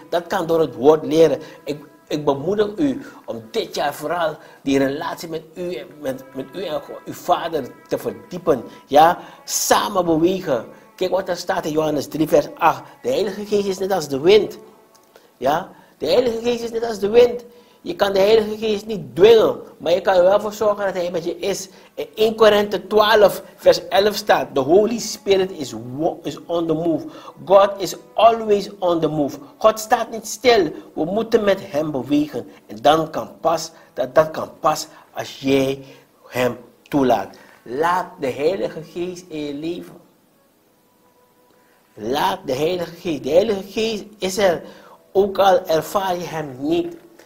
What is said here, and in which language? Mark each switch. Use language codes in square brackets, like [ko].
[nl] Dat kan door het woord leren. Ik bemoedig u om dit jaar vooral die relatie met u en uw Vader te verdiepen. Ja, samen bewegen. Kijk wat er staat in Johannes 3, vers 8. De Heilige Geest is net als de wind. Ja? De Heilige Geest is net als de wind. Je kan de Heilige Geest niet dwingen. Maar je kan er wel voor zorgen dat hij met je is. In 1 Korinthe 12, vers 11 staat. [en] The Holy Spirit is on the move. God is always on the move. [nl] God staat niet stil. We moeten met hem bewegen. En dan kan pas, dat kan pas als jij hem toelaat. Laat de Heilige Geest in je leven. Laat de Heilige Geest. De Heilige Geest is er, ook al ervaar je hem niet.